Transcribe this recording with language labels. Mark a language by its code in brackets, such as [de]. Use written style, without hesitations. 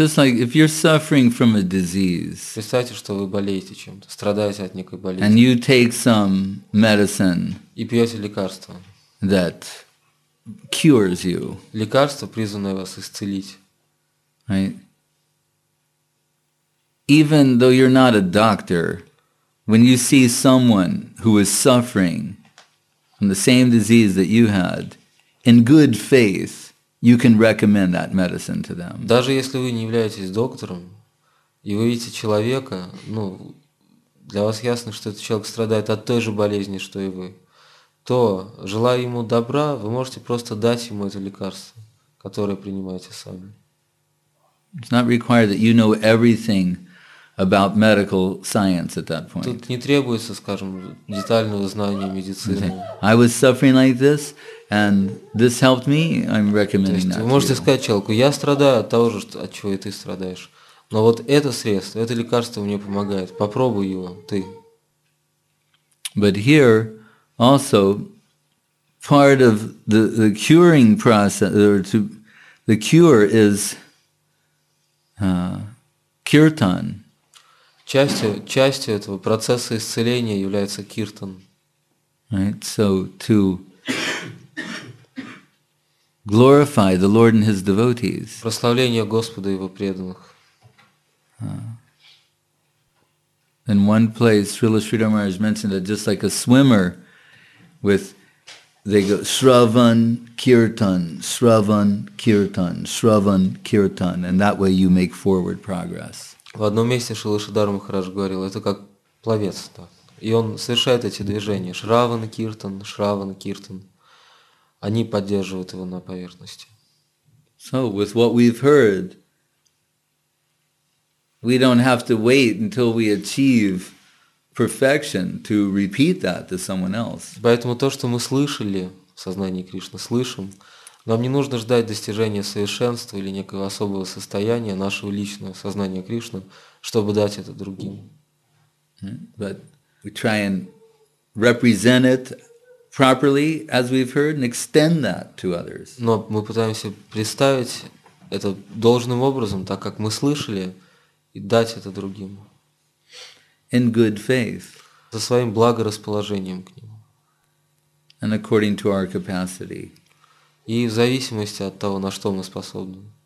[en] Just like if you're suffering from a disease. [ru] Представьте, что вы болеете чем-то, страдаете от некой болезни. [en] And you take some medicine. [ru] И пьете лекарство. [en] That cures you. [ru] Лекарство, призванное вас исцелить. [en] Right? Even though you're not a doctor, when you see someone who is suffering from the same disease that you had, in good faith, you can recommend that medicine to them. [ru] Даже если вы не являетесь доктором, и вы видите человека, для вас ясно, что этот человек страдает от той же болезни, что и вы, то, желая ему добра, вы можете просто дать ему это лекарство, которое принимаете сами. [en] It's not required that you know everything about medical science at that point. [ru] Тут не требуется, скажем, детального знания медицины. [en] I was suffering like this, and this helped me. I'm recommending that. [ru] Вы можете сказать человеку: я страдаю от того же, от чего и ты страдаешь. Но вот это средство, это лекарство мне помогает. Попробуй его, ты. [en] But here, also, part of the curing process, or to the cure is kirtan. [ru] Частью этого процесса исцеления является киртан. [en] Right. So to glorify the Lord and His devotees. [ru] Прославление Господа и Его преданных. [en] In one place, Srila Sridhar Maharaj mentioned that just like a swimmer, they go Shravan Kirtan, Shravan Kirtan, Shravan Kirtan, and that way you make forward progress. [ru] В одном месте Шрила Шридхар Махарадж говорил, это как пловец. Так. И он совершает эти движения. Шраван Киртан, Шраван Киртан. Они поддерживают его на поверхности. [en] So, with what we've heard, we don't have to wait until we achieve perfection to repeat that to someone else. [ru] Поэтому то, что мы слышали в сознании Кришны, слышим, нам не нужно ждать достижения совершенства или некого особого состояния нашего личного сознания Кришны, чтобы дать это другим. [en] But we try and represent it properly, as we've heard, and extend that to others. [ru] Но мы пытаемся представить это должным образом, так как мы слышали, и дать это другим. [en] In good faith. [ru] Со своим благорасположением к нему. [en] And according to our capacity. [ru] И в зависимости от того, на что мы способны.